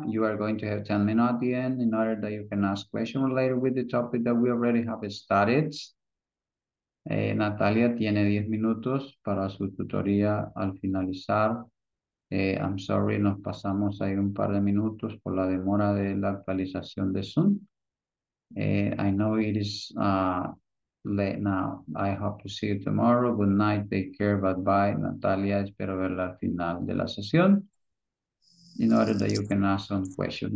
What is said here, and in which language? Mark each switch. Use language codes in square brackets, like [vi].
[en] You are going to have 10 minutes at the end in order that you can ask questions related with the topic that we already have started. [es] Natalia tiene 10 minutos para su tutoría al finalizar. [en] I'm sorry, [es] nos pasamos ahí un par de minutos por la demora de la actualización de Zoom. [en] I know it is late now. I hope to see you tomorrow. Good night. Take care. Bye-bye. [es] Natalia, espero verla al final de la sesión. [en] In order that you can ask some questions.